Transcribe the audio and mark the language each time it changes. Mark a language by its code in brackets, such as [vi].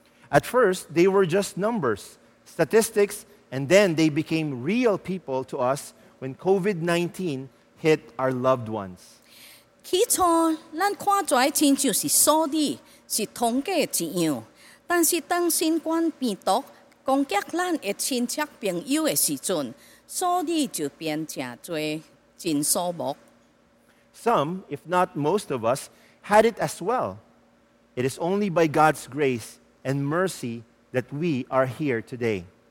[en] At first, they were just numbers, statistics, and then they became real people to us when COVID-19 hit our loved ones. [nan] 起初,咱看出来亲像是数字,是统计一样。但是当新冠病毒攻击咱的亲戚朋友的时阵,数字就变真多,真数目。 [en] Some, if not most of us, had it as well. It is only by God's grace and mercy that we are here today.